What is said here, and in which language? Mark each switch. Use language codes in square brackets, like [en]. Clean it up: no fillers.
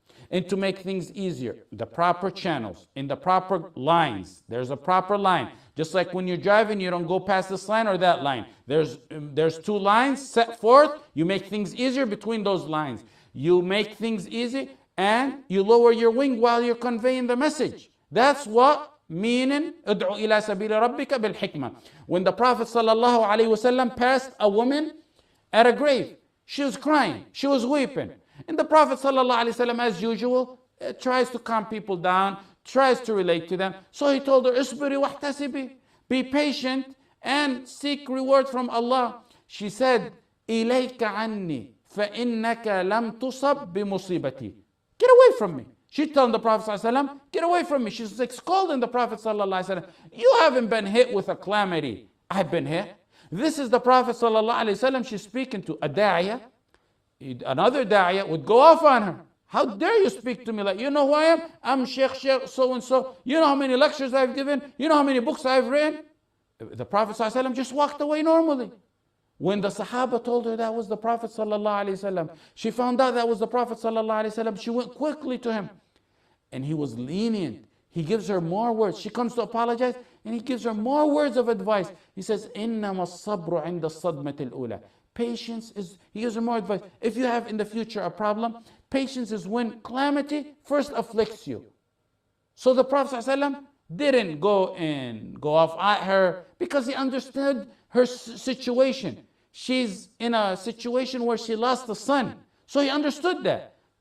[en] And to make things easier, the proper channels, in the proper lines, there's a proper line. Just like when you're driving, you don't go past this line or that line. There's two lines set forth, you make things easier between those lines. You make things easy and you lower your wing while you're conveying the message. That's what meaning, [ar] ادعو إلى سبيل ربك بالحكمة. [en] When the Prophet ﷺ passed a woman at a grave, she was crying, she was weeping. And the Prophet ﷺ, as usual, tries to calm people down, tries to relate to them. So he told her, [ar] اصبري واحتسبي. [en] Be patient and seek reward from Allah. She said, [ar] إليك عني فإنك لم تصب بمصيبتي. [en] Get away from me. She told the Prophet ﷺ, get away from me. She's like scolding the Prophet ﷺ. You haven't been hit with a calamity. I've been hit. This is the Prophet ﷺ she's speaking to, a da'iyah. Another da'iyah would go off on her. How dare you speak to me like, you know who I am? I'm Sheikh so-and-so. You know how many lectures I've given? You know how many books I've written? The Prophet ﷺ just walked away normally. When the Sahaba told her that was the Prophet ﷺ, she found out that was the Prophet ﷺ, she went quickly to him. And he was lenient. He gives her more words. She comes to apologize, and he gives her more words of advice. He says, [ar] إِنَّمَا الصَّبْرُ عِنْدَ الصَّدْمَةِ الْأُولَى. [en] Patience is, he gives her more advice. If you have in the future a problem, patience is when calamity first afflicts you. So the Prophet ﷺ didn't go off at her because he understood her situation. She's in a situation where she lost a son. So he understood that.